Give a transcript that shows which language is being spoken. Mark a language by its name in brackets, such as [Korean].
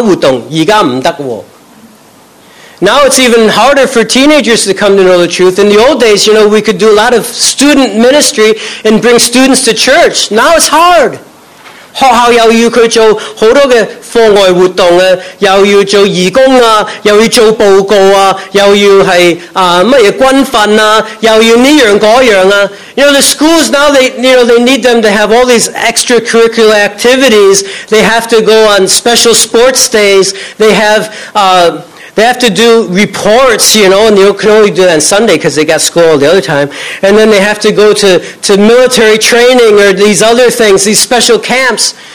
[Cantonese] 现在学校还衰，以前做学生工作呢，很容易咧接触学生，又搞活动，而家唔得喎。 [English] Now it's even harder for teenagers to come to know the truth. In the old days, you know, we could do a lot of student ministry and bring students to church. Now it's hard. [Cantonese] 學校又要佢做好多嘅課外活動啊，又要做義工啊，又要做報告啊，又要係乜嘢軍訓啊，又要呢樣嗰樣啊。 [English] You know, the schools now, you know, they need them to have all these extracurricular activities. They have to go on special sports days. They have to do reports, you know, and you can only do that on Sunday because they got school all the other time. And then they have to go to military training or these other things, these special camps.